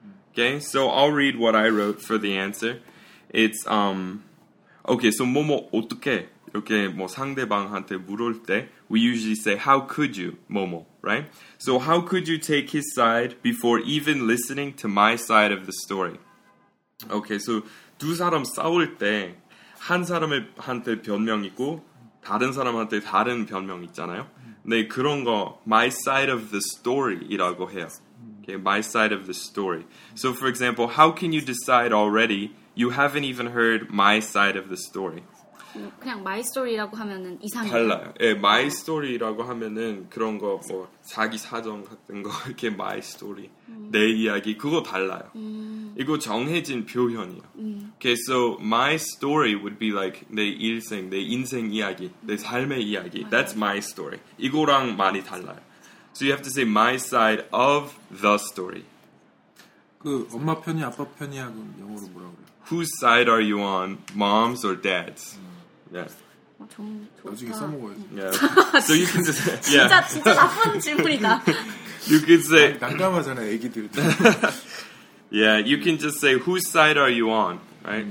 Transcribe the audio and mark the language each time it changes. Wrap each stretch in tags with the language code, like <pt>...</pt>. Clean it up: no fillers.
<en>Okay, so I'll read what I wrote for the answer. It's, okay, so</en> <ko>뭐뭐 어떻게 이렇게 뭐 상대방한테 물을 때</ko> <en>we usually say how could you</en> <ko>뭐뭐</ko> <en>right? So how could you take his side before even listening to my side of the story?</en> <ko>Okay, so 두 사람 싸울 때 한 사람한테 변명 있고 다른 사람한테 다른 변명 있잖아요. 네, 그런 거</ko> <en>my side of the story</en> <ko>이라고 해요.</ko> <en>Okay, my side of the story. So for example, how can you decide already? You haven't even heard my side of the story.</en> <ko>그냥</ko> <en>my story</en> <ko>라고 하면은 이상해. 달라요. 예,</ko> <en>my story</en> <ko>라고 하면은 그런 거 뭐 자기 사정 같은 거 이렇게 my story 내 이야기 그거 달라요. 이거 정해진 표현이에요.</ko> <en>Okay, so my story would be like</en> <ko>내 일생, 내 인생 이야기, 내 삶의 이야기. 맞아요.</ko> <en>That's my story.</en> <ko>이거랑 많이 달라요.</ko> <en>So you have to say my side of the story.</en> <ko>그 엄마 편이 아빠 편이야 그럼 영어로 뭐라고 그래?</ko> <en>Whose side are you on, moms or dads? So you can just say, yeah.</en> <ko>진짜 나쁜 질문이다.</ko> <en>You can say</en> <ko>난감하잖아 애기들.</ko> <en>Yeah, you can just say whose side are you on, right?</en>